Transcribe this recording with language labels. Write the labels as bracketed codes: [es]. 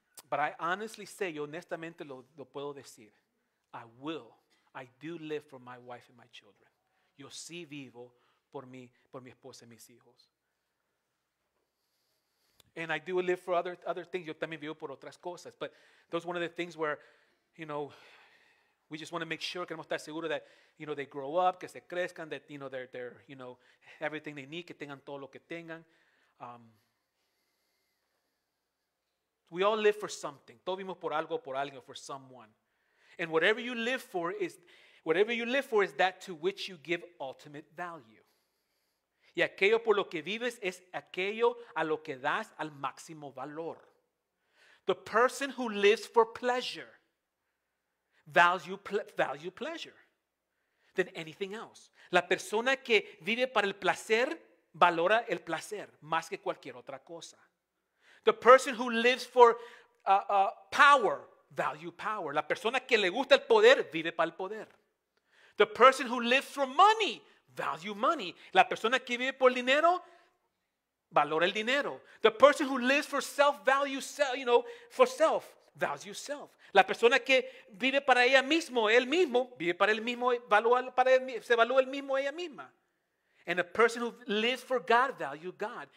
[en] But I honestly say, [es] yo honestamente lo puedo decir. [en] I will. I do live for my wife and my children. [es] Yo sí vivo por mi esposa y mis hijos. [en] And I do live for other things. [es] Yo también vivo por otras cosas. [en] But those are one of the things where, you know, we just want to make sure, [es] queremos estar seguros [en] that, you know, they grow up, [es] que se crezcan, [en] that, you know, they're, you know, everything they need, [es] que tengan todo lo que tengan. [en] We all live for something. [es] Todos vivimos por algo, por alguien, [en] for someone. And whatever you live for is that to which you give ultimate value. [es] Y aquello por lo que vives es aquello a lo que das al máximo valor. [en] The person who lives for pleasure value pleasure than anything else. [es] La persona que vive para el placer valora el placer más que cualquier otra cosa. [en] The person who lives for power value power. [es] La persona que le gusta el poder vive para el poder. [en] The person who lives for money value money. [es] La persona que vive por dinero valora el dinero. [en] The person who lives for self value self, you know, for self value self. [es] La persona que vive para ella mismo, él mismo, vive para el mismo, se evalúa el mismo ella misma. [en] And a person who lives for God value God.